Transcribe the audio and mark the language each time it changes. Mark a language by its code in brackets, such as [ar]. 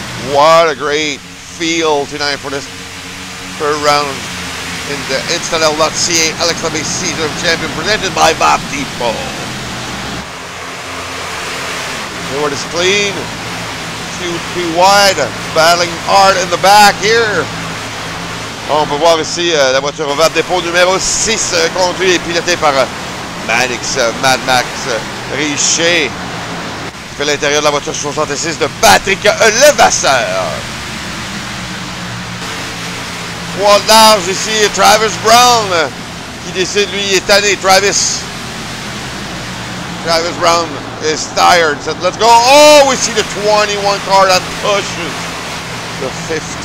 [en] What a great feel tonight for this third round in the Instadel.ca Alex Labbe Season of Champion presented by Bob Depot. Here it is clean. Two wide, battling hard in the back here. [fr] On peut voir ici la voiture Vape Depot numéro 6, conduite et pilotée par Mad Max Richer. Qui fait l'intérieur de la voiture 66 de Patrick Levasseur. Trois larges ici, Travis Brown, qui décide, lui, il est tanné. [en] Travis Brown is tired, said, let's go. Oh, we see the 21 car that pushes the 15.